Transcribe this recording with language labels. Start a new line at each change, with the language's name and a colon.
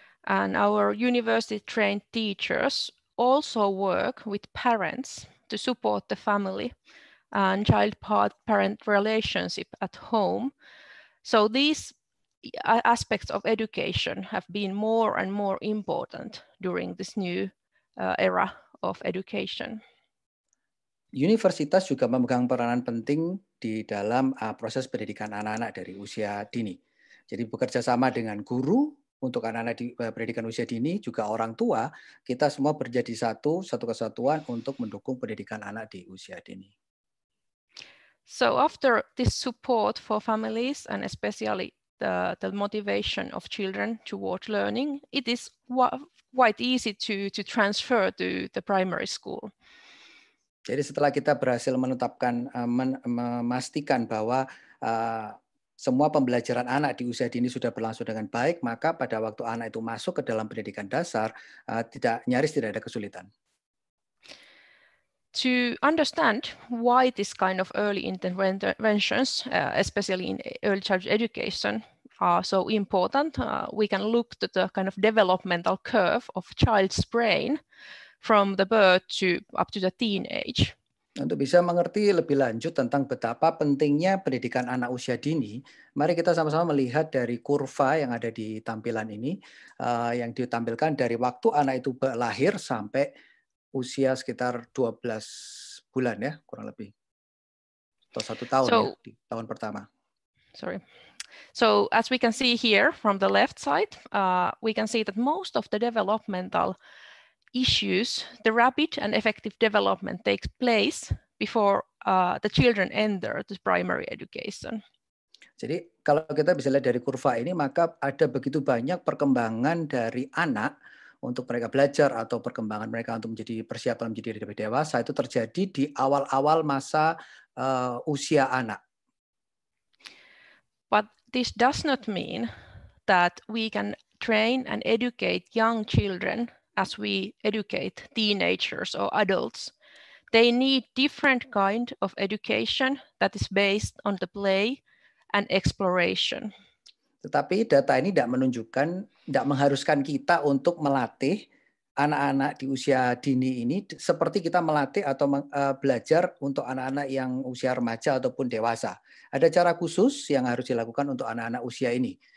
English: And our university trained teachers also work with parents to support the family and child parent relationship at home. So these aspects of education have been more and more important during this new era of education.
Indonesian: Universitas juga memegang peranan penting di dalam proses pendidikan anak-anak dari usia dini. Jadi bekerja sama dengan guru untuk anak-anak di pendidikan usia dini, juga orang tua, kita semua berjadi satu kesatuan untuk mendukung pendidikan anak di usia dini.
English: So after this support for families and especially the motivation of children toward learning, it is quite easy to transfer to the primary school.
Indonesian: Jadi setelah kita berhasil menetapkan, memastikan bahwa semua pembelajaran anak di usia dini sudah berlangsung dengan baik, maka pada waktu anak itu masuk ke dalam pendidikan dasar, tidak nyaris tidak ada kesulitan.
English: to understand why this kind of early interventions, especially in early childhood education, are so important, we can look to the kind of developmental curve of child's brain from the birth to up to the teenage.
Indonesian: Untuk bisa mengerti lebih lanjut tentang betapa pentingnya pendidikan anak usia dini, mari kita sama-sama melihat dari kurva yang ada di tampilan ini, yang ditampilkan dari waktu anak itu lahir sampai usia sekitar 12 bulan ya, kurang lebih. Atau 1 tahun, so, ya, di tahun pertama.
English: Sorry. So as we can see here from the left side, we can see that most of the developmental issues, the rapid and effective development takes place before the children enter the primary education.
Indonesian: Jadi kalau kita bisa lihat dari kurva ini, maka ada begitu banyak perkembangan dari anak untuk mereka belajar atau perkembangan mereka untuk menjadi persiapan menjadi lebih dewasa itu terjadi di awal-awal masa usia anak.
English: But this does not mean that we can train and educate young children as we educate teenagers or adults. They need different kind of education that is based on the play and exploration.
Indonesian: Tetapi data ini tidak menunjukkan, tidak mengharuskan kita untuk melatih anak-anak di usia dini ini seperti kita melatih atau belajar untuk anak-anak yang usia remaja ataupun dewasa. Ada cara khusus yang harus dilakukan untuk anak-anak usia ini.